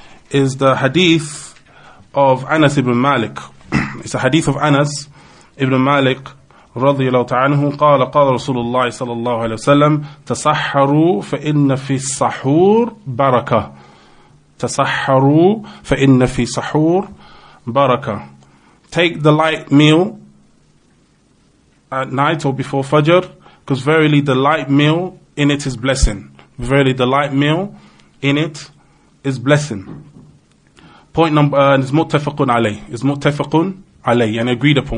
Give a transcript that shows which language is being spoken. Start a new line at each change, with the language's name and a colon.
English: is the hadith of Anas ibn Malik. It's a hadith of Anas ibn Malik
Arabic: رضي الله عنه قال قال رسول الله صلى الله عليه وسلم تصحروا فإن في الصحور بركة تصحروا فإن في صحور بركة.
English: Take the light meal at night or before Fajr, because verily the light meal in it is blessing. Verily the light meal in it is blessing. Point number, is muttafaqun alayh. Is muttafaqun alayh, and agreed upon.